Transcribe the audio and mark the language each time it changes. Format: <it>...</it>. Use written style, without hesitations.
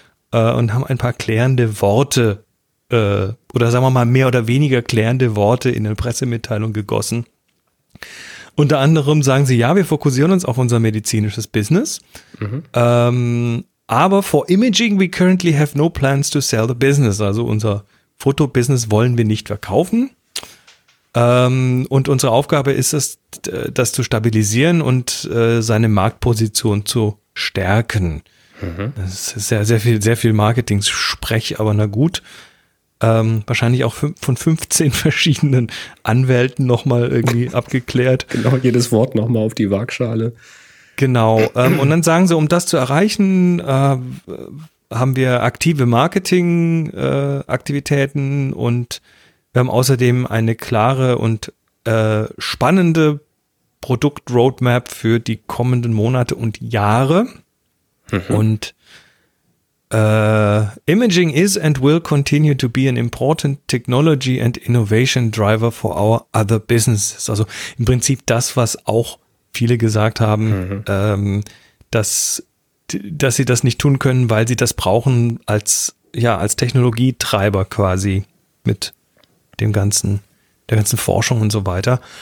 <de>Und haben ein paar klärende Worte oder sagen wir mal mehr oder weniger klärende Worte in eine Pressemitteilung gegossen. Unter anderem sagen sie, ja, wir fokussieren uns auf unser medizinisches Business. Mhm. Aber</de> <en>for imaging, we currently have no plans to sell the business.</en> <de>Also unser Fotobusiness wollen wir nicht verkaufen. Und unsere Aufgabe ist es, das zu stabilisieren und seine Marktposition zu stärken. Das ist sehr, sehr viel Marketing-Sprech, aber na gut. wahrscheinlich auch von 15 verschiedenen Anwälten nochmal irgendwie abgeklärt. Genau, jedes Wort nochmal auf die Waagschale. Genau, und dann sagen sie, um das zu erreichen, haben wir aktive Marketing-Aktivitäten und wir haben außerdem eine klare und spannende Produkt-Roadmap für die kommenden Monate und Jahre. Mhm. Und</de> <en>Imaging is and will continue to be an important technology and innovation driver for our other businesses.</en> <de>Also im Prinzip das, was auch viele gesagt haben, mhm. dass sie das nicht tun können, weil sie das brauchen als, ja, als Technologietreiber quasi mit dem ganzen, der ganzen Forschung und so weiter.</de>